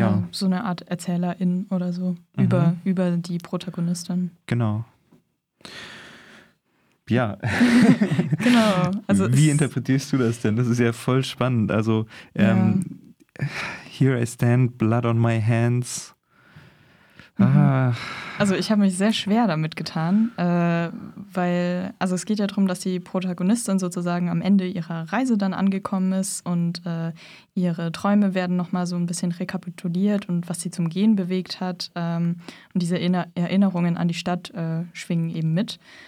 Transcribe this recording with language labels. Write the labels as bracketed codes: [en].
[de] So eine Art Erzählerin oder so, über die Protagonistin. Genau. Ja. Genau. Also wie interpretierst du das denn? Das ist ja voll spannend. [en] Also, Here I stand, blood on my hands. [de] Also ich habe mich sehr schwer damit getan, weil es geht ja darum, dass die Protagonistin sozusagen am Ende ihrer Reise dann angekommen ist und ihre Träume werden nochmal so ein bisschen rekapituliert und was sie zum Gehen bewegt hat. Und diese Erinnerungen an die Stadt schwingen eben mit.